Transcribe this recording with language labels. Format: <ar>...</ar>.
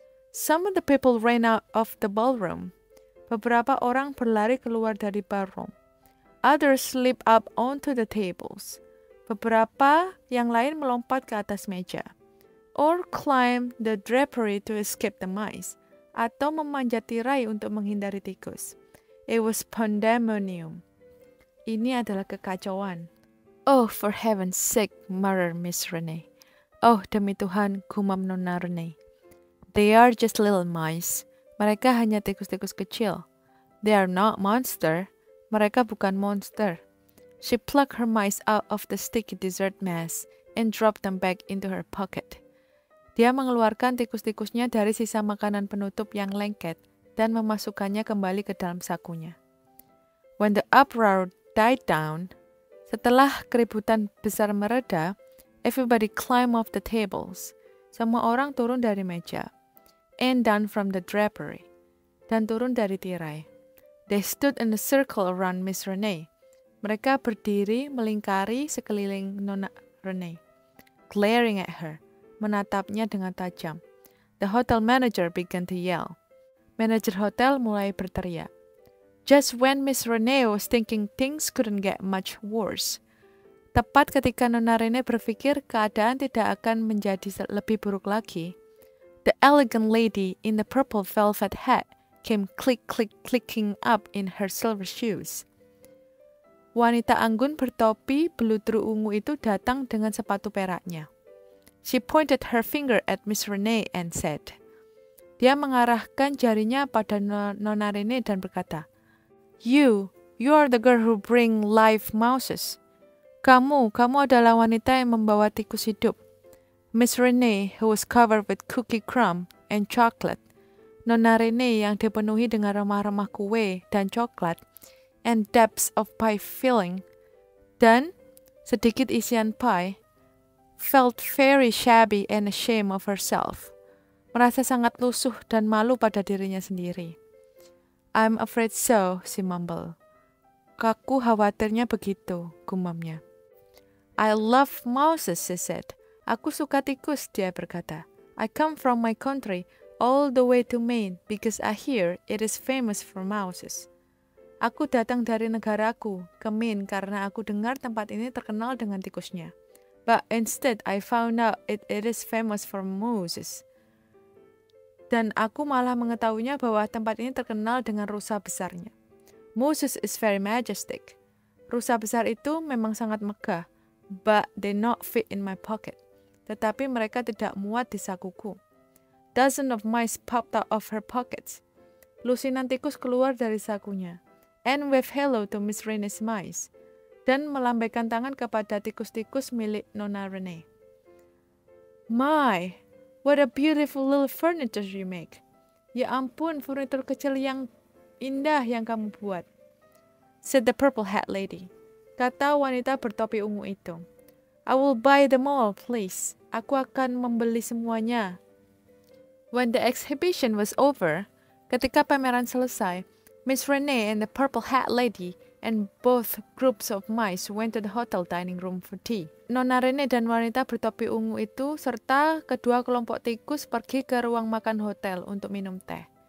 <en>Some of the people ran out of the ballroom.</en> <id>Beberapa orang berlari keluar dari ballroom.</id> <en>Others slipped up onto the tables.</en> <id>Beberapa yang lain melompat ke atas meja.</id> <en>Or climb the drapery to escape the mice.</en> <id>Atau memanjat tirai untuk menghindari tikus.</id> <en>It was pandemonium.</en> <id>Ini adalah kekacauan.</id> <en>Oh, for heaven's sake, muttered Miss Renee.</en> <id>Oh, demi Tuhan, gumam Nona Renee.</id> <en>They are just little mice.</en> <id>Mereka hanya tikus-tikus kecil.</id> <en>They are not monster.</en> <id>Mereka bukan monster.</id> <en>She plucked her mice out of the sticky dessert mess and dropped them back into her pocket.</en> <id>Dia mengeluarkan tikus-tikusnya dari sisa makanan penutup yang lengket dan memasukkannya kembali ke dalam sakunya.</id> <en>When the uproar died down,</en> <id>setelah keributan besar mereda,</id> <en>everybody climbed off the tables.</en> <id>Semua orang turun dari meja.</id> <en>And down from the drapery.</en> <id>Dan turun dari tirai.</id> <en>They stood in a circle around Miss Renee.</en> <id>Mereka berdiri melingkari sekeliling Nona Renee.</id> <en>Glaring at her.</en> <id>Menatapnya dengan tajam.</id> <en>The hotel manager began to yell.</en> <id>Manager hotel mulai berteriak.</id> <en>Just when Miss Renee was thinking things couldn't get much worse.</en> <id>Tepat ketika Nona Renee berpikir keadaan tidak akan menjadi lebih buruk lagi,</id> <en>the elegant lady in the purple velvet hat came click-click-clicking up in her silver shoes.</en> <id>Wanita anggun bertopi beludru ungu itu datang dengan sepatu peraknya.</id> <en>She pointed her finger at Miss Renee and said.</en> <id>Dia mengarahkan jarinya pada Nona Renee dan berkata,</id> <en>You are the girl who bring live mouses.</en> <id>Kamu adalah wanita yang membawa tikus hidup.</id> <en>Miss Renee, who was covered with cookie crumb and chocolate.</en> <id>Nona Renee yang dipenuhi dengan remah-remah kue dan coklat.</id> <en>And depths of pie filling.</en> <id>Dan sedikit isian pie.</id> <en>Felt very shabby and ashamed of herself.</en> <id>Merasa sangat lusuh dan malu pada dirinya sendiri.</id> <en>I'm afraid so, she mumbled.</en> <id>Kaku khawatirnya begitu, gumamnya.</id> <en>I love mouses, she said.</en> <id>Aku suka tikus, dia berkata.</id> <en>I come from my country all the way to Maine because I hear it is famous for mouses.</en> <id>Aku datang dari negaraku, ke Maine, karena aku dengar tempat ini terkenal dengan tikusnya.</id> <en>But instead, I found out it is famous for mooses.</en> <id>Dan aku malah mengetahuinya bahwa tempat ini terkenal dengan rusa besarnya.</id> <en>Moses is very majestic.</en> <id>Rusa besar itu memang sangat megah,</id> <en>but they not fit in my pocket.</en> <id>Tetapi mereka tidak muat di sakuku.</id> <en>Dozen of mice popped out of her pockets.</en> <id>Lusinan tikus keluar dari sakunya.</id> <en>And wave hello to Miss Renee's mice.</en> <id>Dan melambaikan tangan kepada tikus-tikus milik Nona Renee. My!</id> <en>What a beautiful little furniture you make.</en> <id>Ya ampun, furnitur kecil yang indah yang kamu buat.</id> <en>Said the purple hat lady.</en> <id>Kata wanita bertopi ungu itu.</id> <en>I will buy them all, please.</en> <id>Aku akan membeli semuanya.</id> <en>When the exhibition was over, ketika pameran selesai, Miss Renee and the purple hat lady and both groups of mice went to the hotel dining room for tea.</en> <id>Nona Renee dan wanita bertopi ungu itu serta kedua kelompok tikus pergi ke ruang makan hotel untuk minum teh.</id>